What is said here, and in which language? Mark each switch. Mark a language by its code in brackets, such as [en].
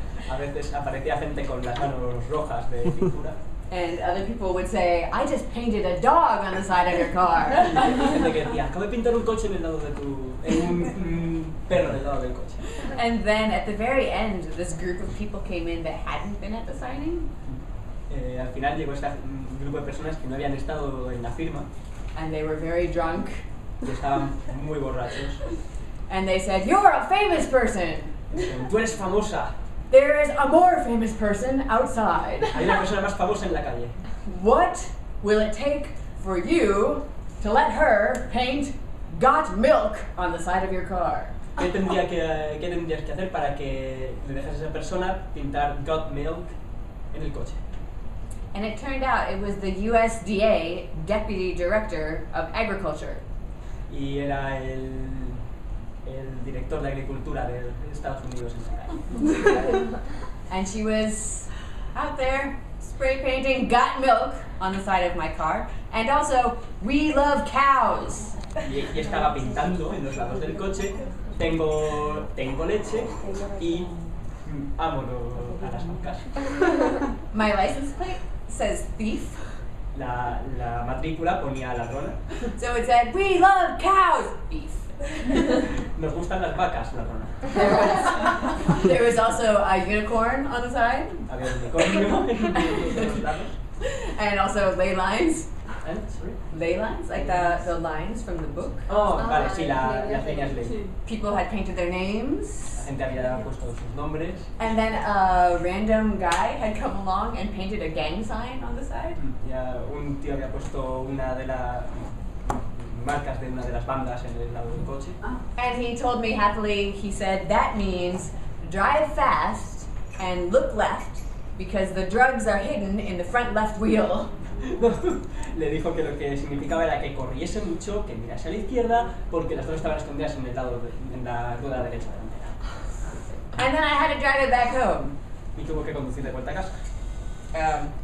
[es] A veces aparecía gente con las manos rojas de pintura. [en] And other people would say, I just painted a dog on the side of your car. And then at the very end, this group of people came in that hadn't been at the signing. [es] Al final llegó este grupo de personas que no habían estado en la firma. [en] And they were very drunk. [es] Estaban muy borrachos. [en] And they said, you're a famous person. [es] Tú eres famosa. [en] There is a more famous person outside. [es] Hay una persona más famosa en la calle. [en] What will it take for you to let her paint got milk on the side of your car? [es] ¿Qué tendrías que hacer para que le dejes a esa persona pintar got milk en el coche? [en] And it turned out it was the USDA Deputy Director of Agriculture. [es] Y era el director de agricultura de Estados Unidos en la calle. [en] And she was out there spray painting got milk on the side of my car, and also we love cows. [es] Y estaba pintando en los lados del coche tengo leche y amo a las vacas. [en] My license plate says thief. [es] La matrícula ponía ladrona. [en] So it said we love cows thief. [es] Nos gustan las vacas, la rona. [en] There was also a unicorn on the side. [es] Había un unicornio. [en] And also ley lines. Sorry. Ley lines, like the lines from the book. [es] Oh, vale, sí, las líneas ley. [en] People had painted their names. [es] La gente había puesto sus nombres. [en] And then a random guy had come along and painted a gang sign on the side. [es] Ya un tío había puesto una de las marcas de una de las bandas en el lado del coche. [en] And he told me happily, he said, that means drive fast and look left because the drugs are hidden in the front left wheel. [es] Le dijo que lo que significaba era que corriese mucho, que mirase a la izquierda porque las drogas estaban escondidas en el lado en la rueda derecha delantera. [en] And then I had to drive it back home. [es] Y tuvo que conducir de vuelta a casa.